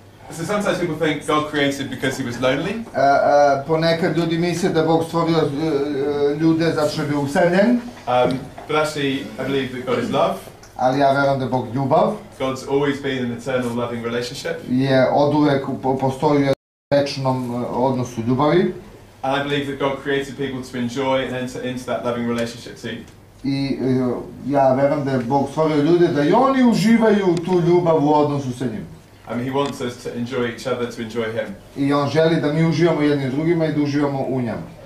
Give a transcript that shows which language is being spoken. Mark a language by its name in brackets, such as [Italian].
[English] So sometimes people think God created because he was lonely. [Serbian] Ponekad ljudi misle da Bog stvorio ljude zato što je bio usamljen. [English] But actually, I believe that God is love. [Serbian] Ali ja verujem da Bog ljubav. [English] God's always been an eternal loving relationship. [Serbian] Je oduvek postojao u večnom odnosu ljubavi. [English] And I believe that God created people to enjoy and enter into that loving relationship too. [Serbian] I ja verujem da Bog stvorio ljude da i oni uživaju tu ljubav u odnosu sa njim. [English] I mean, he wants us to enjoy each other, to enjoy him. [Serbian] I on želi da mi uživamo jedni s drugima i da uživamo u njemu.